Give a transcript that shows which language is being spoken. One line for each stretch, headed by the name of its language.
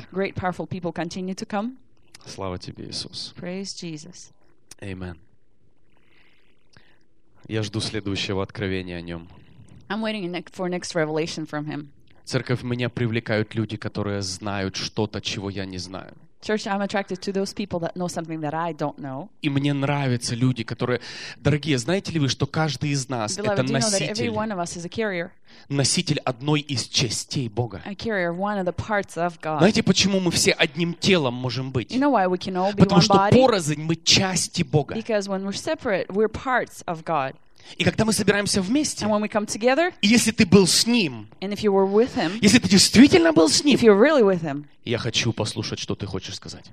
English: Great, powerful people continue to come.
Russian: Слава тебе, Иисус.
English: Praise Jesus. Amen.
Russian: Я жду следующего откровения о нем.
English: I'm waiting for next revelation from him.
Russian: Церковь, меня привлекают люди, которые знают что-то, чего я не знаю.
English: Church, I'm attracted to those people that know something that I don't know.
Russian: И мне нравятся люди, которые, дорогие, знаете ли вы, что каждый из нас это носитель.
English: Beloved, do you know that every one of us is a carrier?
Russian: Носитель одной из частей Бога.
English: A carrier of one of the parts of God.
Russian: Знаете, почему мы все одним телом можем быть?
English: You know why we can all be one body?
Russian: Потому что порознь мы части Бога.
English: Because when we're separate, we're parts of God.
Russian: И когда мы собираемся вместе,
English: and when we come together,
Russian: и если ты был с Ним,
English: and if you were with him,
Russian: если ты действительно был с Ним,
English: if you're really with him,
Russian: я хочу послушать, что ты хочешь сказать.